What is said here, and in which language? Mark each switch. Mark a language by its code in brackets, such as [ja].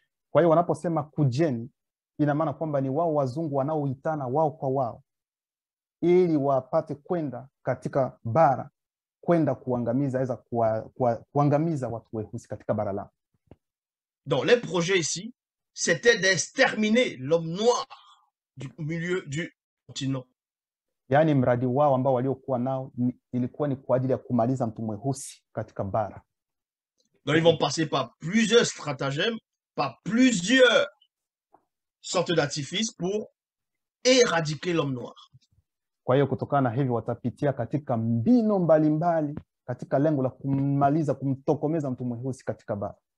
[sw] Kwa hiyo wanaposema kujeni, ina maana kwamba ni wao wazungu wanaoitana wao kwa wao ili wapate kwenda katika bara kwenda kuangamiza aweza kuangamiza watu weusi katika bara lao. [fr] Donc les projets ici c'était d'exterminer l'homme noir du milieu du continent. [sw] Yaani mradi wao ambao waliokuwa nao ilikuwa ni kwa ajili ya kumaliza mtu mweusi katika bara. [fr] Donc ils vont passer par plusieurs stratagèmes, par plusieurs sortes d'artifices pour éradiquer l'homme noir. [sw] Kwa hiyo kutokana hivi watapitia katika mbinu mbalimbali katika lengo la kumaliza kumtokomeza mtu mweusi katika bara.